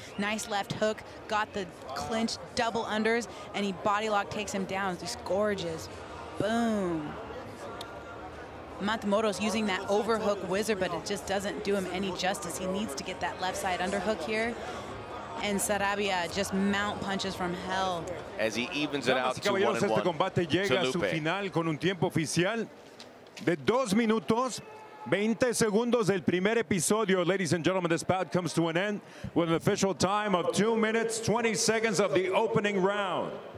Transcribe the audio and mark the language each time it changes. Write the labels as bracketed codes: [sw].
[en] Nice left hook, got the clinch, double unders, and he body lock takes him down. Just gorgeous. Boom. Matamoros using that overhook wizard, but it just doesn't do him any justice. He needs to get that left side underhook here. And Sarabia just mount punches from hell. As he evens it out to 1-1. [es] Este combate llega a su final con un tiempo oficial de 2 minutos 20 segundos del primer episodio. [en] Ladies and gentlemen, this bout comes to an end with an official time of 2 minutes 20 seconds of the opening round.